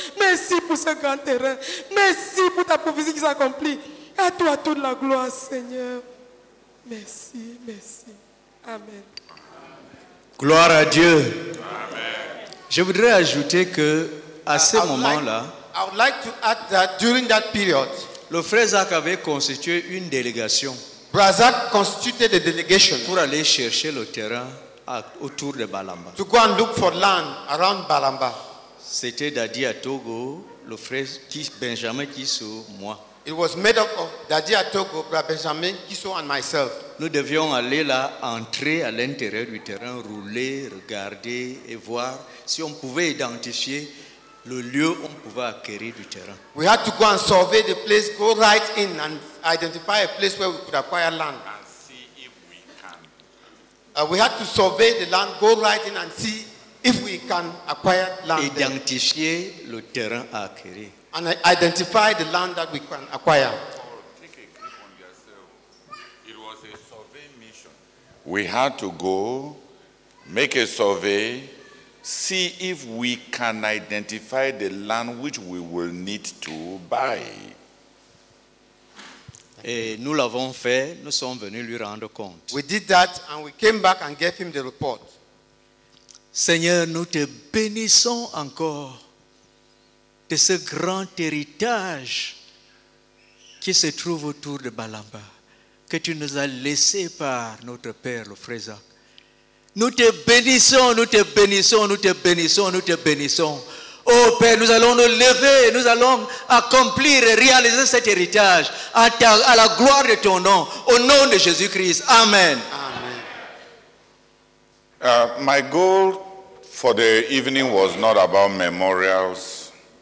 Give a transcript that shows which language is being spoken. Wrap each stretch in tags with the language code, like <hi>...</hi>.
<fr>Merci pour ce grand terrain. Merci pour ta prophétie qui s'accomplit. À toi toute la gloire, Seigneur. Merci, merci. Amen. Gloire à Dieu. Amen. Je voudrais ajouter que à ce moment-là,</fr> <en>I would like to add that during that period,</en> <fr>le frère Zach avait constitué une délégation.</fr> <en>Brazak constituted a delegation</en> <fr>pour aller chercher le terrain autour de Balamba.</fr> <en>To go and look for land around Balamba.</en> <fr>C'était Dadi Atogo, le frère Benjamin Kiso, moi.</fr> <en>It was made up of Dadi Atogo, Benjamin Kiso and myself.</en> <fr>Nous devions aller là, entrer à l'intérieur du terrain, rouler, regarder et voir si on pouvait identifier le lieu où on pouvait acquérir du terrain.</fr> <en>We had to go and survey the place, go right in and identify a place where we could acquire land. And see if we can. We had to survey the land, go right in and see if we can acquire land.</en> <fr>Identifier le terrain à acquérir.</fr> <en>And identify the land that we can acquire. Take a grip on yourself. It was a survey mission. we had to go make a survey, see if we can identify the land which we will need to buy.</en> <fr>Et nous l'avons fait, nous sommes venus lui rendre compte.</fr> <en>We did that and we came back and gave him the report.</en> <fr>Seigneur, nous te bénissons encore de ce grand héritage qui se trouve autour de Balamba, que tu nous as laissé par notre père, le Fréza. Nous te bénissons, nous te bénissons, nous te bénissons, nous te bénissons. Oh Père, nous allons nous lever, nous allons accomplir et réaliser cet héritage à la gloire de ton nom, au nom de Jésus-Christ. Amen. Amen.</fr> <en>My goal for the evening was not about memorials.</en>